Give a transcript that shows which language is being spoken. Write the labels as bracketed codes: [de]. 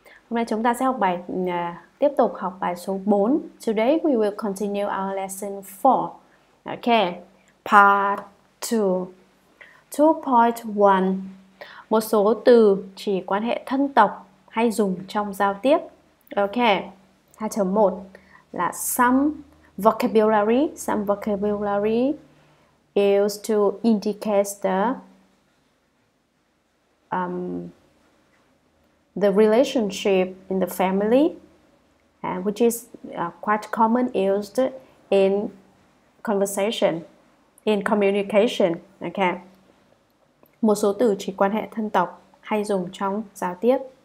[vi] Hôm nay chúng ta sẽ học bài tiếp tục học bài số 4. [en] Today we will continue our lesson 4. Okay, part 2. [vi] 2.1. Một số từ chỉ quan hệ thân tộc hay dùng trong giao tiếp. [en] Okay, 2.1 là some vocabulary is to indicate the relationship in the family, which is quite common used in conversation, in communication. Okay. [vi] Một số từ chỉ quan hệ thân tộc hay dùng trong giao tiếp.